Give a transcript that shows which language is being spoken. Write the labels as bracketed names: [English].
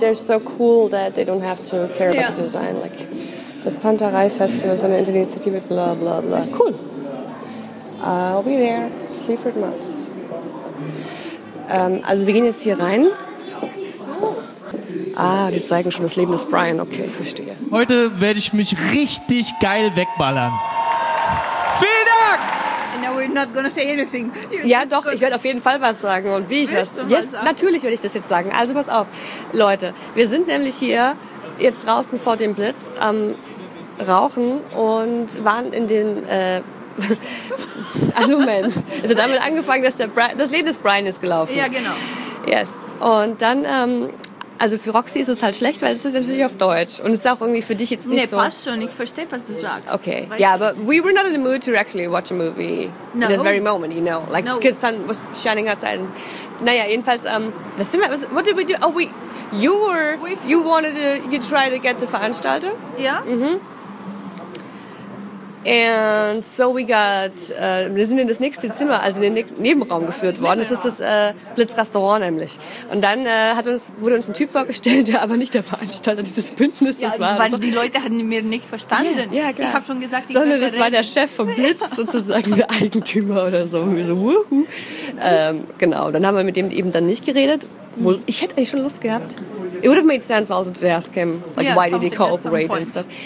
[English] They're so cool that they don't have to care about the design. [German] Like, das Panterei-Festival ist eine Interinitiative, bla bla bla. [English] Cool. I'll be there. Sleaford Mott. [German] Also, wir gehen jetzt hier rein. Ah, die zeigen schon das Leben des Brian. Okay, ich verstehe. Heute werde ich mich richtig geil wegballern. Vielen Dank! [English] Not gonna say anything. [German] Ja, doch, ich werde auf jeden Fall was sagen. Und wie ich das? Yes, natürlich werde ich das jetzt sagen. Also pass auf, Leute, wir sind nämlich hier jetzt draußen vor dem Blitz am Rauchen und waren in den Moment. Also damit angefangen, dass das Leben des Brian ist gelaufen. Ja, genau. [English] Yes. [German] Und dann, also für Roxy ist es halt schlecht, weil es ist natürlich auf Deutsch. Und es ist auch irgendwie für dich jetzt nicht so... Nee, passt schon. Ich verstehe, was du sagst. Okay. Ja, aber [English] we were not in the mood to actually watch a movie. No. In this very moment, you know. Like, because the sun was shining outside. And, [German] naja, jedenfalls, was sind wir... [English] What did we do? Oh, you tried to get the Veranstalter? Yeah. Mhm. And so we got... [German] wir sind in das nächste Zimmer, also in den nächsten Nebenraum geführt worden. Das ist das Blitzrestaurant nämlich. Und dann wurde uns ein Typ vorgestellt, der aber nicht der Veranstalter dieses Bündnisses war. Weil die Leute hatten mir nicht verstanden. Ja, klar. Ich habe schon gesagt, war der Chef vom Blitz sozusagen, der Eigentümer oder so. Und wir so, wuhu. Genau, dann haben wir mit dem eben dann nicht geredet. Wohl, ich hätte eigentlich schon Lust gehabt. [English] It would have made sense also to ask him, like, why did he cooperate and stuff.